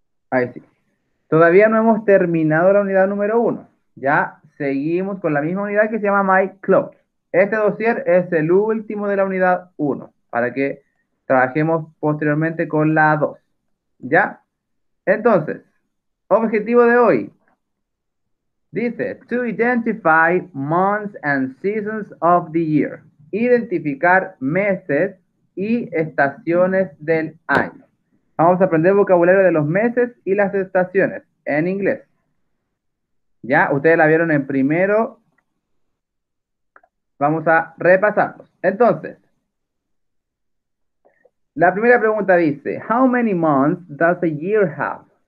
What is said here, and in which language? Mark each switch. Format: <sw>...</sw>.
<es>Ahí sí. Todavía no hemos terminado la unidad número 1. Ya seguimos con la misma unidad que se llama My Club. Este dossier es el último de la unidad 1 para que trabajemos posteriormente con la 2. ¿Ya? Entonces, objetivo de hoy. Dice,</es> <en>to identify months and seasons of the year.</en> <es>Identificar meses y estaciones del año. Vamos a aprender vocabulario de los meses y las estaciones en inglés. Ya, ustedes la vieron en primero. Vamos a repasarlos. Entonces, la primera pregunta dice,</es> <en>how many months does a year have?</en>